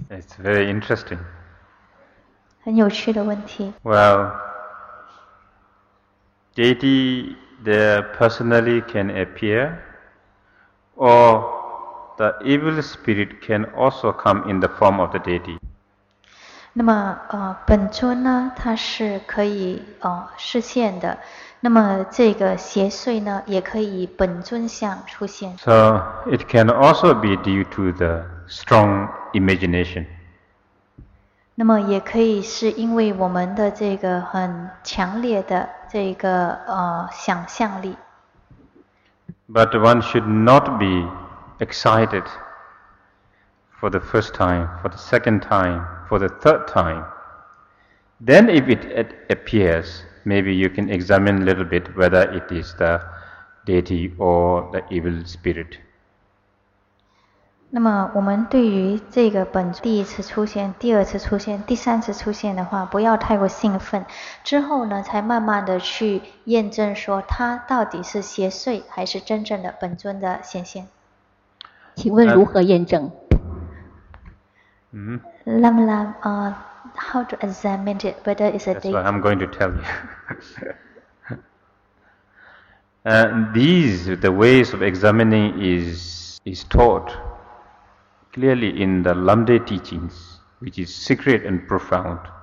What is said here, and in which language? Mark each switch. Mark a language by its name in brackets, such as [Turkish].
[English] It's very interesting. [Chinese] 很有趣的问题。 [English] Well, deity, they personally can appear. Or... The evil spirit can also come in the form of the deity. [Chinese] 那么本尊呢，它是可以视线的。那么这个邪祟呢，也可以本尊相出现。 [English] So it can also be due to the strong imagination. [Chinese] 那么也可以是因为我们的这个很强烈的这个想象力。 [English] But one should not be. Excited for the first time, for the second time, for the third time. Then, if it appears, maybe you can examine a little bit whether it is the deity or the evil spirit. [Chinese] 那么我们对于这个本第一次出现、第二次出现、第三次出现的话，不要太过兴奋，之后呢才慢慢的去验证说它到底是邪祟还是真正的本尊的显现。请问如何验证？ [English] Lam Lam, how to examine it, whether it's a deity? That's what I'm going to tell you. these, the ways of examining is taught clearly in the Lamde teachings, which is secret and profound.